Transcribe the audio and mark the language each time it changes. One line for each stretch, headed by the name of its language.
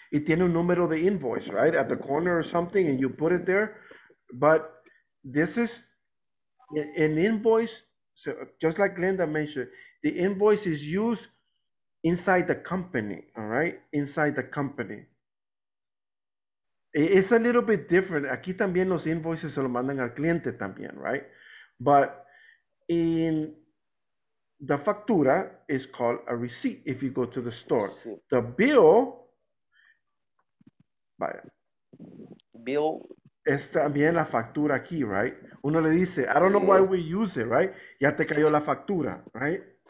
English: Yes. It
Spanish: tiene un número de
English: invoice, right? At the corner or something, and you put it there. But this is an invoice. So just like Glenda mentioned, the invoice is used inside the company, all right? Inside the company. It's a little bit different.
Spanish: Aquí también los invoices se lo mandan al cliente también, right?
English: But in the factura is called a receipt if you go to the store. Sí. The bill, vaya. Bill.
Spanish: Es también la factura aquí, right? Uno le dice,
English: I don't know why we use it, right?
Spanish: Ya te cayó la factura,
English: right?